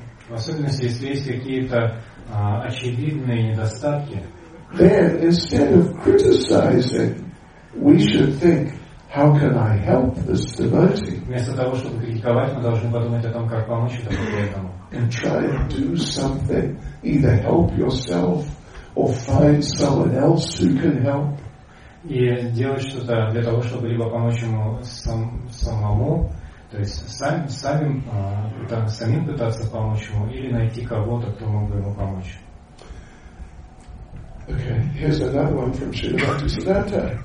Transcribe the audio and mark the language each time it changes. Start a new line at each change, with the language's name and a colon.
Russian: Особенно если есть какие-то очевидные недостатки.
English: Then instead of criticizing, we should think, how can I help this devotee?
Russian: Вместо того, чтобы критиковать, мы должны подумать о том, как помочь этому преданному.
English: And try to do something, either help yourself or find someone else who can help.
Russian: И делать что-то для того, чтобы либо помочь ему самому, то есть самим пытаться помочь ему, или найти кого-то, кто мог бы ему помочь.
English: Okay, here's another one from Srila Bhaktisiddhanta.